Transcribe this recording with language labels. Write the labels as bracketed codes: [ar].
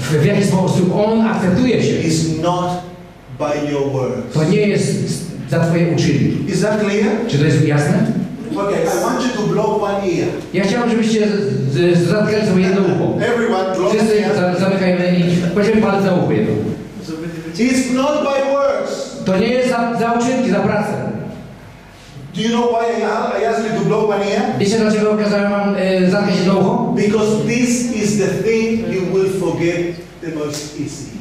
[pl] W jaki sposób on akceptuje cię. [en] Is not by your works. [pl] To nie jest za twoje uczynki. [en] Is that clear? [pl] Czy to jest jasne? [en] Okay, I want you to blow one ear. [pl] Ja chciałbym, żebyście zatkali sobie jedno ucho. Wszyscy zamykajmy i kładziemy palce na ucho jedno. [en] It's not by works. [pl] To nie jest za uczynki, za pracę. [en] Do you know why I asked you to blow one ear? [pl] Wiecie, dlaczego kazałem wam zatkać jedno ucho? [en] Because this is the thing you will forget the most easily.